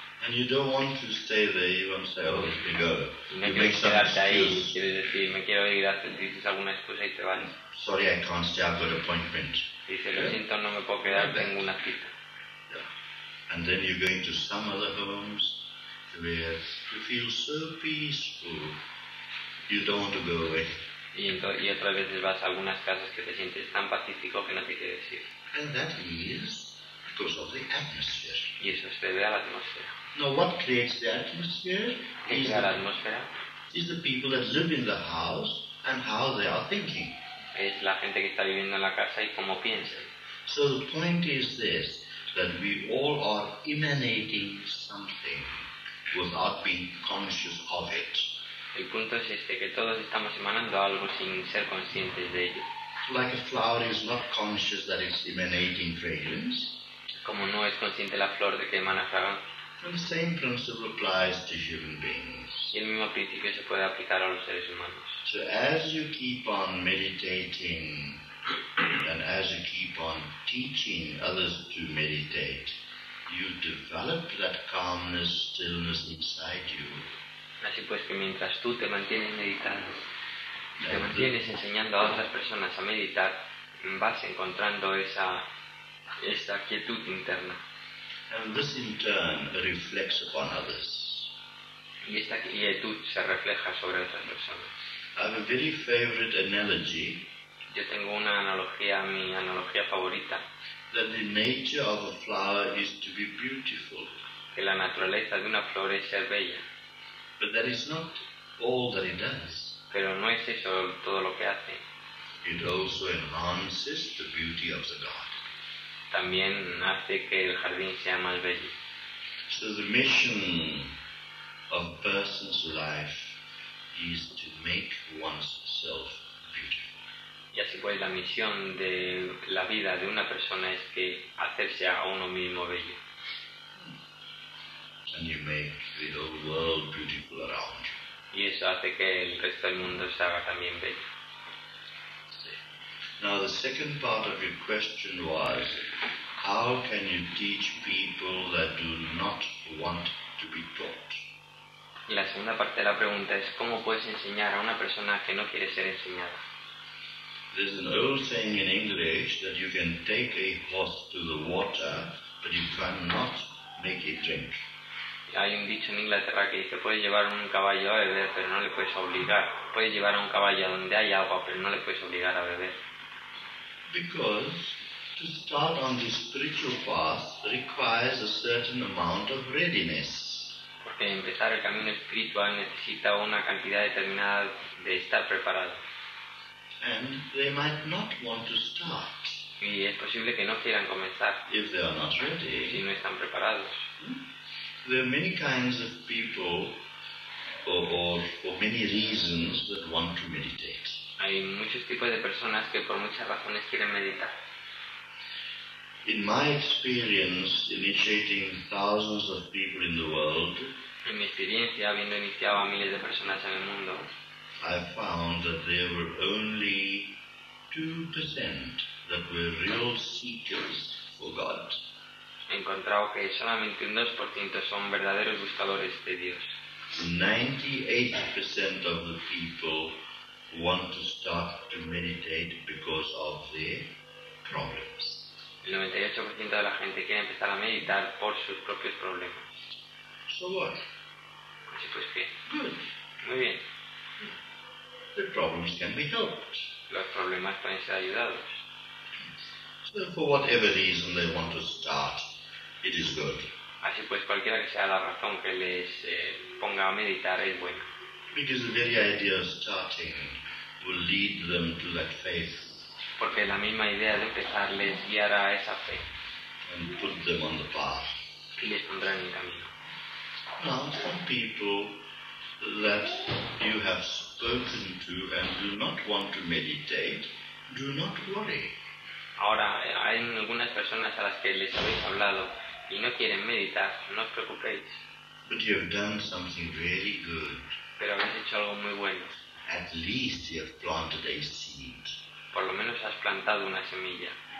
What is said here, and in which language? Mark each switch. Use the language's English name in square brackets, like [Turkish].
[English] And you don't want to stay there, you want to say, oh, let me go. [Spanish] No quieres quedarte ahí, quieres decir, me quiero ir, dices alguna excusa y te vas. [English] Sorry, I can't stay, I've got an appointment. [Spanish] Dice, lo siento, no me puedo quedar, tengo una cita. [English] Yeah. And then you're going to some other homes where you feel so peaceful, you don't want to go away. [Spanish] Y otras veces vas a algunas casas que te sientes tan pacífico que no te quieres ir. [English] And that is because of the atmosphere. [Spanish] Y eso se debe a la atmósfera. [English] Now what creates the atmosphere? [Spanish] ¿Qué crea la atmósfera? [English] Is the people that live in the house and how they are thinking. [Spanish] Es la gente que está viviendo en la casa y cómo piensa. [English] So the point is this, that we all are emanating something without being conscious of it. [Spanish] El punto es este, que todos estamos emanando algo sin ser conscientes de ello. [English] Like a flower is not conscious that it's emanating fragrance. [Spanish] Como no es consciente la flor de que emana fragancia. [English] The same principle applies to human beings. [Spanish] Y el mismo principio se puede aplicar a los seres humanos. [English] So as you keep on meditating and as you keep on teaching others to meditate, you develop that calmness, stillness inside you. [Spanish] Así pues que mientras tú te mantienes meditando, te mantienes enseñando a otras personas a meditar, vas encontrando esa quietud interna. [English] And this in turn reflects upon others. [Spanish] Y esta quietud se refleja sobre otras personas. [English] I have a very favorite analogy. [Spanish] Yo tengo una analogía, mi analogía favorita. [English] That the nature of a flower is to be beautiful. [Spanish] Que la naturaleza de una flor es ser bella. [English] But that is not all that it does. [Spanish] Pero no es eso todo lo que hace. [English] It also enhances the beauty of the garden. [Spanish] También hace que el jardín sea más bello. [English] So the mission of a person's life is to make oneself beautiful. [Spanish] Y así pues la misión de la vida de una persona es que hacerse a uno mismo bello. [English] And you make the whole world beautiful around you. [Spanish] Y eso hace que el resto del mundo se haga también bello. [English] Now the second part of your question was, how can you teach people that do not want to be taught? [Spanish] Y la segunda parte de la pregunta es, ¿cómo puedes enseñar a una persona que no quiere ser enseñada? [English] There's an old saying in English that you can take a horse to the water, but you cannot make it drink. [Spanish] Hay un dicho en Inglaterra que dice, puedes llevar un caballo a beber, pero no le puedes obligar. Puedes llevar a un caballo a donde hay agua, pero no le puedes obligar a beber. [English] Because to start on the spiritual path requires a certain amount of readiness. [Spanish] Porque empezar el camino espiritual necesita una cantidad determinada de estar preparado. [English] And they might not want to start. [Spanish] Y es posible que no quieran comenzar. [English] If they are not ready. [Spanish] Si no están preparados. [English] There are many kinds of people, or for many reasons, that want to meditate. [Spanish] Hay muchos tipos de personas que por muchas razones quieren meditar. [English] In my experience, initiating thousands of people in the world, [Spanish] en mi experiencia, habiendo iniciado a miles de personas en el mundo, [English] I found that there were only 2% that were real seekers for God. [Spanish] He encontrado que solamente un 2% son verdaderos buscadores de Dios. [English] 98% of the people want to start to meditate because of their problems. [Spanish] El 98% de la gente quiere empezar a meditar por sus propios problemas. [English] So what? [Spanish] Así pues, ¿qué? [English] Good. [Spanish] Muy bien. [English] The problems can be helped. [Spanish] Los problemas pueden ser ayudados. [English] So for whatever reason they want to start, it is good. [Spanish] Así pues, cualquiera que sea la razón que les ponga a meditar es buena. [English] Because the very idea of starting will lead them to that faith. [Spanish] Porque la misma idea de empezar les guiará a esa fe. [English] And put them on the path. [Spanish] Y les pondrá en el camino. [English] Now, some people that you have spoken to and do not want to meditate, do not worry. [Spanish] Ahora, hay algunas personas a las que les habéis hablado y no quieren meditar, no os preocupéis. [English] But you have done something very good. [Spanish] pero habéis hecho algo muy bueno. [English] At least you have planted a seed. [Spanish] Por lo menos has plantado una semilla.